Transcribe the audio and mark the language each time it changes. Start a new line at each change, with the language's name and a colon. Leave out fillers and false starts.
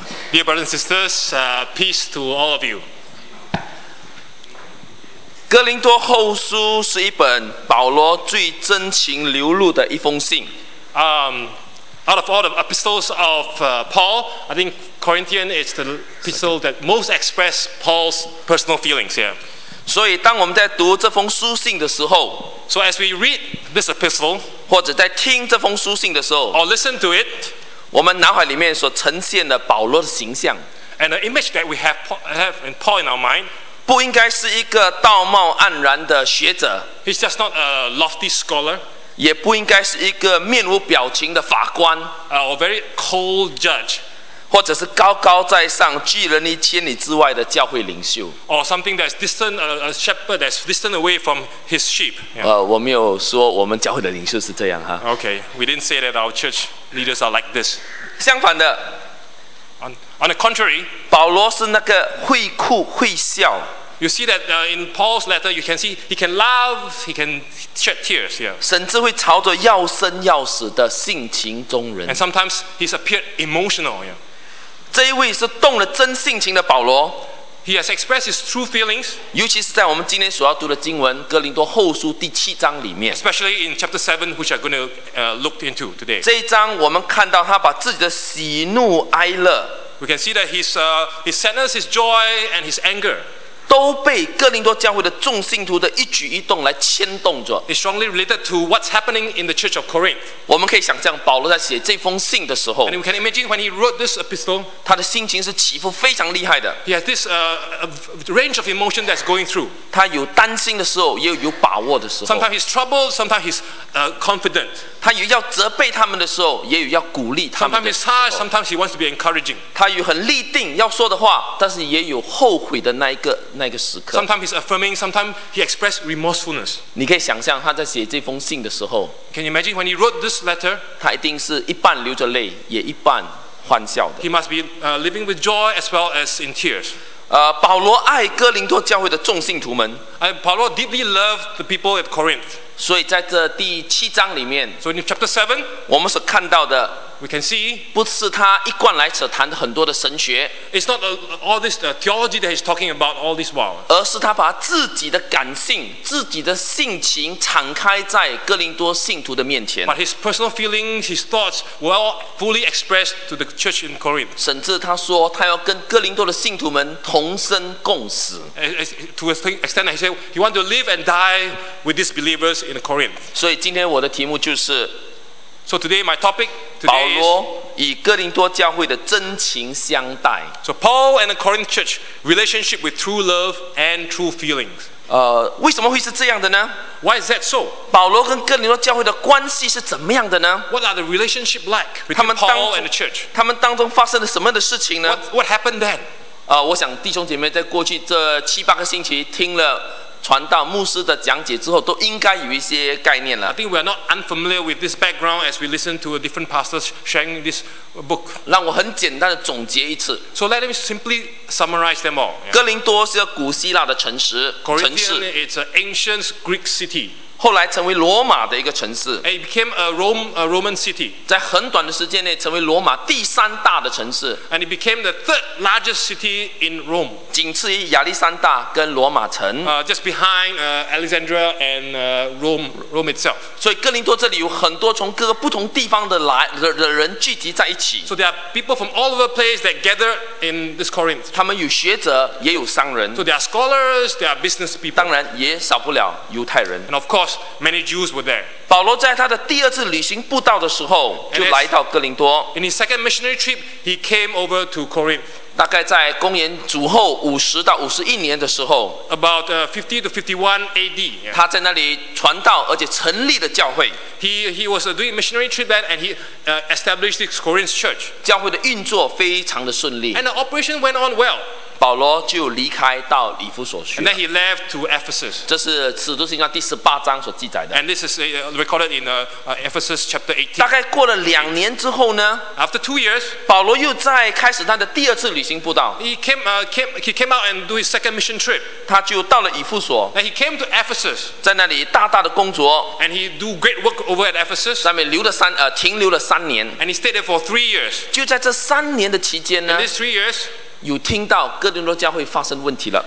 English: Dear brothers and sisters, peace to all of you.
Chinese: 哥林多后书是一本保罗最真情流露的一封信。
English: Out of all the epistles of Paul, I think Corinthians is the epistle that most expresses Paul's personal feelings here.
Chinese: 所以当我们在读这封书信的时候
English: ，So as we read this epistle,
Chinese: 或者在听这封书信的时候
English: ，or listen to it,
Chinese: 我们脑海里面所呈现的保罗的形象
English: ，and the image that we have in Paul in our mind.
Chinese: 不应该是一个道貌岸然的学者
English: He's just not a lofty scholar
Chinese: 也不应该是一个面无表情的法官
English: Or a very cold judge
Chinese: 或者是高高在上拒人于千里之外的教会领袖
English: Or something that's distant, a shepherd that's distant away from his sheep、 yeah.
Chinese: 我没有说我们教会的领袖是这样哈
English: Okay, we didn't say that our church leaders are like this
Chinese: 相反的
English: On the contrary,
Chinese: 保罗是那个会哭会笑。
English: You see that in Paul's letter, you can see he can laugh, he can shed tears. Yeah.
Chinese: 甚至会朝着要生要死的性情中人。
English: And sometimes he's appeared emotional. Yeah.
Chinese: 这一位是动了真性情的保罗。
English: He has expressed his true feelings.
Chinese: 尤其是在我们今天所要读的经文《哥林多后书》第七章里面。
English: Especially in chapter 7, which I'm going to look into today.
Chinese: 这一章我们看到他把自己的喜怒哀乐。
English: We can see that his sadness, his joy, and his anger,
Chinese: 都被哥林多教会的众信徒的一举一动来牵动着。
English: It's strongly related to what's happening in the church of Corinth.
Chinese: 我们可以想象保罗在写这封信的时候
English: ，and we can imagine when he wrote this epistle,
Chinese: 他的心情是起伏非常厉害的。
English: He has this range of emotion that's going through.
Chinese: 他有担心的时候，也有把握的时候。
English: Sometimes he's troubled, sometimes he's confident.
Chinese: 他有要责备他们的时候，也有要鼓励他们的时候。
English: Sometimes he's hard, sometimes he wants to be encouraging.
Chinese: 他有很立定要说的话，但是也有后悔的那个时刻。
English: Sometimes he's affirming, sometimes he expresses remorsefulness.
Chinese: 你可以想象他在写这封信的时候。
English: Can you imagine when he wrote this letter?
Chinese: 他一定是一半流着泪，也一半欢笑的。
English: He must be living with joy as well as in tears.
Chinese: 保罗爱哥林多教会的众信徒们。
English: Paul deeply loved the people at Corinth.
Chinese: 所以在这第七章里面
English: ，So in chapter 7,
Chinese: 我们所看到的
English: ，We can see
Chinese: 不是他一贯来所谈的很多的神学
English: ，It's not all this theology that he's talking about all this while，
Chinese: 而是他把自己的感性、自己的性情敞开在哥林多信徒的面前
English: ，But his personal feelings, his thoughts were all fully expressed to the church in Corinth，
Chinese: 甚至他说他要跟哥林多的信徒们同生共死
English: ，To an extent that he said。 He wants to live and die with these believers in Corinth.
Chinese: 所以今天我的题目就是
English: So today my topic today
Chinese: 保罗与哥林多教会的真情相待
English: So Paul and the Corinth church relationship with true love and true feelings.
Chinese: 为什么会是这样的呢
English: Why is that so?
Chinese: 保罗跟哥林多教会的关系是怎么样的呢
English: What are the relationship like between Paul and the church?
Chinese: 他们当中发生了什么的事情呢
English: What happened then?
Chinese: 我想弟兄姐妹在过去这七八个星期听了传道牧师的讲解之后，都应该有一些概念了。
English: I think we are not unfamiliar with this background as we listen to a different pastor sharing this book.
Chinese: 让我很简单的总结一次。
English: So let me simply summarize them all.
Chinese: 哥林多是个古希腊的城市。
English: Corinthian is an ancient Greek city.
Chinese: 后来成为罗马的一个城市。
English: It became a Roman city.
Chinese: 在很短的时间内成为罗马第三大的城市。
English: And it became the third largest city in Rome.
Chinese: 仅次于亚历山大跟罗马城。
English: Just behind Alexandria and Rome itself.
Chinese: 所以哥林多这里有很多从各个不同地方的人聚集在一起。
English: So there are people from all over the place that gather in this Corinth.
Chinese: 他们有学者，也有商人。
English: So there are scholars, there are business people.
Chinese: 当然也少不了犹太人。
English: And of course,Many Jews were there.
Chinese: 保罗在他的第二次旅行布道的时候，就来到哥林多。
English: In his second missionary trip, he came over to Corinth.
Chinese: 大概在公元主后50-51年的时候
English: ，About 50-51 AD.
Chinese: 他在那里传道，而且成立了教会。
English: He was doing missionary trip then, and he established this Corinth church.
Chinese: 教会的运作非常的顺利。
English: And the operation went on well.
Chinese: 保罗就离开到以弗所去。
English: And then he left to Ephesus.
Chinese: 这是使徒行传第十八章所记载的。
English: And this is recorded in Ephesus chapter 18.
Chinese: 大概过了两年之后呢
English: ？After 2 years,
Chinese: 保罗又再开始他的第二次旅行步道。
English: He came out and do his second mission trip.
Chinese: 他就到了以弗所。
English: And he came to Ephesus.
Chinese: 在那里大大的工作。
English: And he do great work over at Ephesus.
Chinese: 在那里停留了三年。
English: And he stayed there for 3 years.
Chinese: 就在这三年的期间呢
English: ？In these 3 years.
Chinese: 有听到哥林多教会发生问题了。